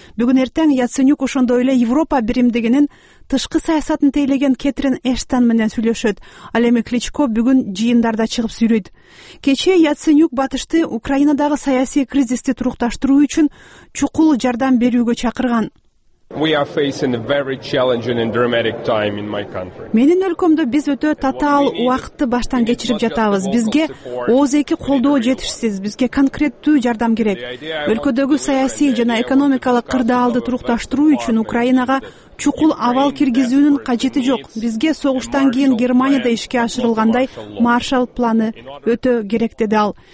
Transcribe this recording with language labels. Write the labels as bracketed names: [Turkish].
[Kyrgyz] Бүгүн эртең Яценюк ошондой эле Европа биримдигинин тышкы саясатын тейлеген Кэтрин Эштон менен сүйлөшөт. Ал эми Кличко бүгүн жыйындарда чыгып сүйлөйт. Кечээ Яценюк батышты Украинадагы саясий кризисти турукташтыруу үчүн чукул жардам берүүгө чакырган. [English] We are facing a very challenging and dramatic time in my country. [Kyrgyz] Менин өлкөмдө биз өтө татаал убакытты баштан кечирип жатабыз. Бизге оозеки колдоо жетишсиз, бизге конкреттүү жардам керек. Өлкөдөгү саясий жана экономикалык кырдаалды турукташтыруу үчүн Украинага чукул авал киргизүүнүн кажети жок. Бизге согуштан кийин Германияда ишке ашырылгандай Маршал планы өтө керек, деди ал.